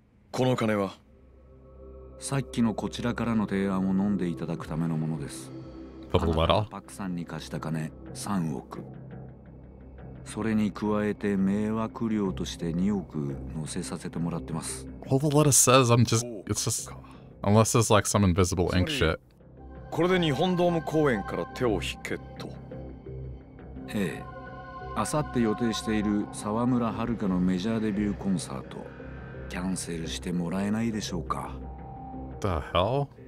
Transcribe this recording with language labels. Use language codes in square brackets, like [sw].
[ja] この金はさっきのこちらからの提案を飲んでいただくためのものです。あなたがパクさんに貸した金3億、それに加えて迷惑料として2億乗せさせてもらってます。 [en] All the letter says I'm just it's just unless it's like some invisible ink shit. [ja] これで日本ドーム公演から手を引けと。ええ、明後日予定している沢村遥のメジャーデビューコンサートキャンセルしてもらえないでしょうか。 [en] The hell?